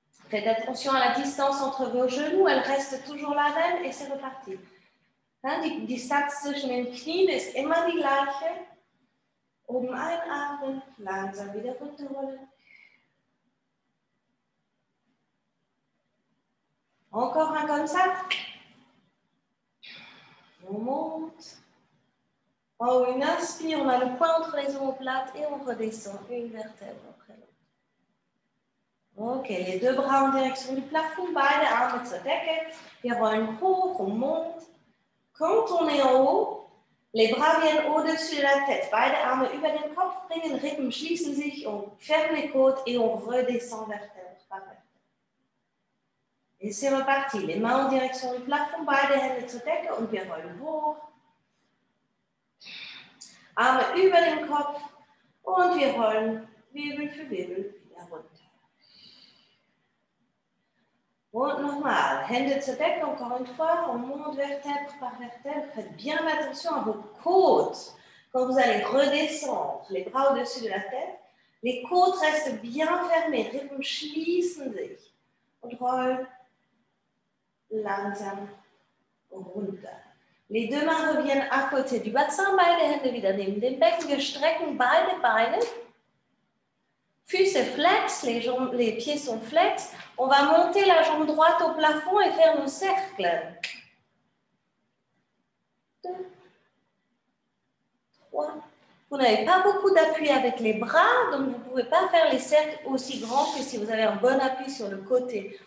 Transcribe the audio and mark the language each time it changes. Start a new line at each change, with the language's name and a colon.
French: Faites attention à la distance entre vos genoux. Elle reste toujours la même et c'est reparti.
German: Hein, die Distanz zwischen den Knien ist immer die gleiche. Oben einatmen, langsam wieder runterrollen.
French: Encore un comme ça. On monte. En haut, une inspire. On a le poing entre les omoplates et on redescend une vertèbre après l'autre. Ok, les deux bras en direction du plafond.
German: Beide Arme zur Decke. Wir wollen hoch,
French: on monte. Quand on est en haut, les bras viennent au-dessus de la tête.
German: Beide Arme über den Kopf bringen. Rippen schließen sich.
French: On ferme les côtes et on redescend vertèbre par vertèbre. Et c'est reparti, les mains en direction du plafond,
German: beide Hände zur Decke und wir rollen hoch. Arme über den Kopf und wir rollen Wirbel für Wirbel wieder runter. Und nochmal, Hände zur Decke,
French: encore une fois, on monte vertèbre par vertèbre. Faites bien attention à vos côtes quand vous allez redescendre, les bras au-dessus de la tête. Les côtes restent bien fermées,
German: Rippen schließen sich.
French: On rolle.
German: Langsam runter.
French: Les deux mains reviennent à côté du bassin.
German: Beide Hände wieder neben dem Becken. Wir strecken beide Beine. Füße flex.
French: Les, jambes, les pieds sont flex. On va monter la jambe droite au plafond et faire nos cercles. 2, 3. Vous n'avez pas beaucoup d'appui avec les bras, donc vous ne pouvez pas faire les cercles aussi grands que si vous avez un bon appui sur le côté.